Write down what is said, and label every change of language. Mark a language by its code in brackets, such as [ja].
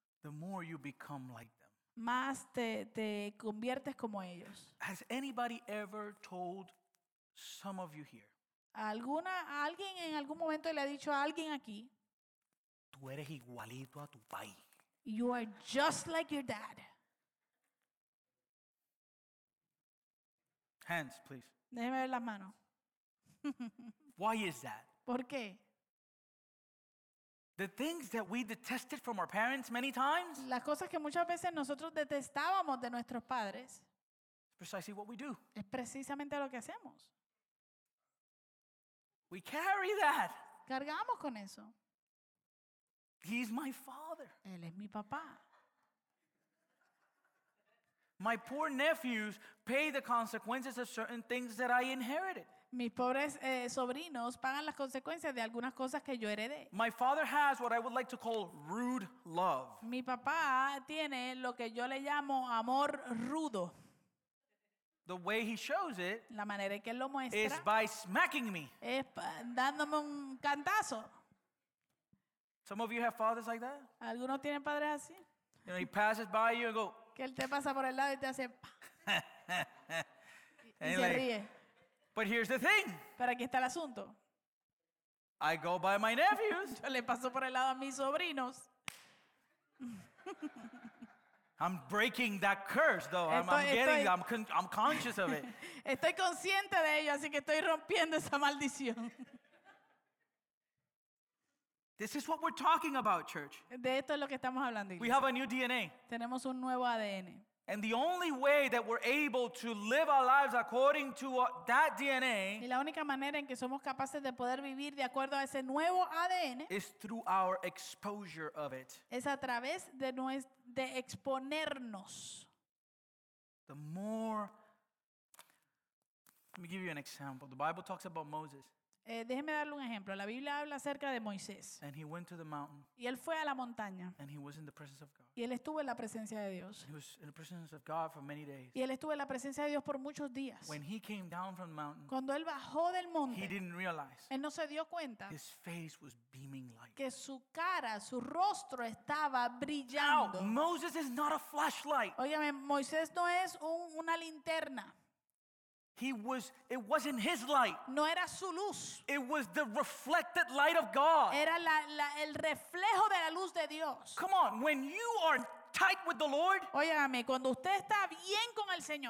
[en] the more you become like them. [es] Más te conviertes como ellos. [en] Has anybody ever told some of you here? [es] ¿Alguien en algún momento le ha dicho a alguien aquí? Tú eres igualito a tu pai. [en] You are just like your dad. Hands, please. [es] Déjeme ver las manos. [en] Why is that? [es] ¿Por qué? [en] The things that we detested from our parents many times. [es] Las cosas que muchas veces nosotros detestábamos de nuestros padres. [en] Precisely what we do. [es] Es precisamente lo que hacemos. [en] We carry that. [es] Cargamos con eso. [en] He's my father. [es] Él es mi papá. [en] My poor nephews pay the consequences of certain things that I inherited. [es] Mis pobres sobrinos pagan las consecuencias de algunas cosas que yo heredé. [en] My father has what I would like to call rude love. [es] Mi papá tiene lo que yo le llamo amor rudo. [en] The way he shows it, [es] la manera en que él lo muestra, [en] is by smacking me. [es] Es dándome un cantazo. [en] Some of you have fathers like that? [es] ¿Algunos tienen padres así? [en] You know, he passes by you and go. [es] Que él te pasa por el lado y te hace pa. Y se ríe. [en] But here's the thing. [es] Pero aquí está el asunto. [en] I go by my nephews. [es] Yo le paso por el lado a mis sobrinos. [en] I'm breaking that curse though. I'm conscious of it. [es] Estoy consciente de ello, así que estoy rompiendo esa maldición. [en] This is what we're talking about, church. [es] De esto es lo que estamos hablando, [en] we have a new DNA. [es] Tenemos un nuevo ADN. [en] And the only way that we're able to live our lives according to that DNA, [es] y la única manera en que somos capaces de poder vivir de acuerdo a ese nuevo ADN, [en] is through our exposure of it. [es] Es a través de exponernos. [en] The more Let me give you an example. The Bible talks about Moses. [es] Déjeme darle un ejemplo. La Biblia habla acerca de Moisés. [en] And he went to the mountain. [es] Y él fue a la montaña. [en] And he was in the presence of God. [es] Y él estuvo en la presencia de Dios. [en] He was in the presence of God for many days. [es] Y él estuvo en la presencia de Dios por muchos días. [en] When he came down from the mountain, [es] cuando él bajó del monte, [en] he didn't realize. [es] Él no se dio cuenta. [en] His face was beaming light. [es] Que su cara, su rostro estaba brillando. [en] Now, Moses is not a flashlight. [es] Óyeme, Moisés no es una linterna. [en] It wasn't his light. [es] No era su luz. [en] It was the reflected light of God. [es] Era el reflejo de la luz de Dios. [en] Come on, when you are tight with the Lord, [es] óyame, cuando usted está bien con el Señor,